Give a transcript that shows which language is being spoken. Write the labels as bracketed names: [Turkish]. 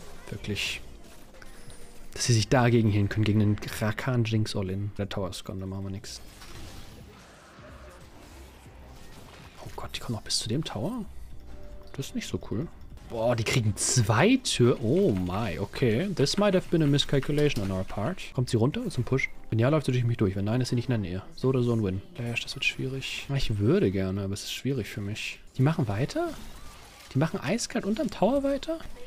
[German] Wirklich. Dass sie sich dagegen hin können, gegen den Rakan Jinx All-In. Der Tower ist gone, da machen wir nichts. Oh Gott, die kommen auch bis zu dem Tower? Das ist nicht so cool. Boah, die kriegen zwei Tür. [English] Oh my, okay. This might have been a miscalculation on our part. [German] Kommt sie runter zum Push? Wenn ja, läuft sie durch mich durch. Wenn nein, ist sie nicht in der Nähe. So oder so ein Win. Flash, das wird schwierig. Ich würde gerne, aber es ist schwierig für mich. Die machen weiter? Die machen eiskalt unterm Tower weiter?